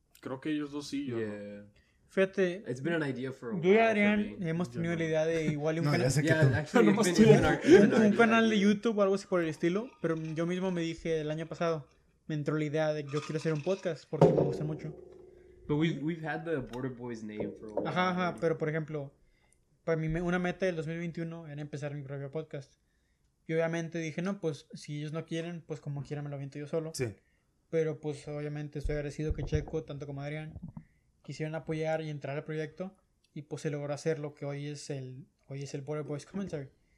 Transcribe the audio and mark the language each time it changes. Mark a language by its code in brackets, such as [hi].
[es] Creo que ellos dos sí, yo yeah. No. Fíjate, [en] it's been an idea for a [es] while. Yo y Adrián hemos tenido la idea de igual un canal. Un canal de YouTube o algo así por el estilo. Pero yo mismo me dije el año pasado, me entró la idea de que yo quiero hacer un podcast porque me gusta mucho. [en] But we've had the Border Boys name for a while. [es] Ajá, pero por ejemplo, para mí una meta del 2021 era empezar mi propio podcast. Y obviamente dije, no, pues si ellos no quieren, pues como quiera me lo aviento yo solo. Sí. pero pues obviamente estoy agradecido que Checo, tanto como Adrián, quisieron apoyar y entrar al proyecto, y pues se logró hacer lo que hoy es el Border Boys Commentary.